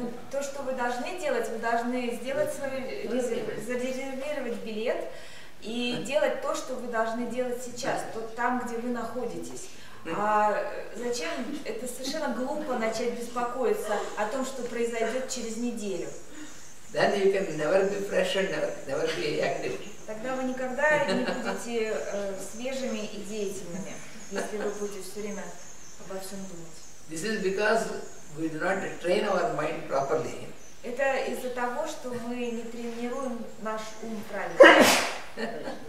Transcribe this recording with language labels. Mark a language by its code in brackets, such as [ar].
[ru] То, что вы должны делать, вы должны сделать свой зарезервировать билет и делать то, что вы должны делать сейчас, то там, где вы находитесь. А зачем? Это совершенно глупо начать беспокоиться о том, что произойдет через неделю. [en] Then you can never be fresh and never be active. [ru] Тогда вы никогда не будете свежими и деятельными. [en] This is because we do not train our mind properly. [ru] Это из-за того, что мы не тренируем наш ум правильно.